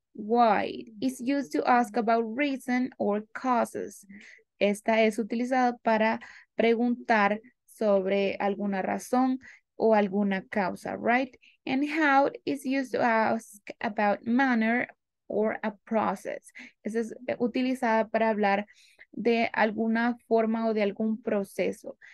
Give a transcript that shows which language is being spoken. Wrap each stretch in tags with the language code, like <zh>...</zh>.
<en>Why is used to ask about reason or causes.</en> <es>Esta es utilizada para preguntar sobre alguna razón o alguna causa, right?</es> <en>And how is used to ask about manner or a process.</en> <es>Esta es utilizada para hablar de alguna forma o de algún proceso.</es>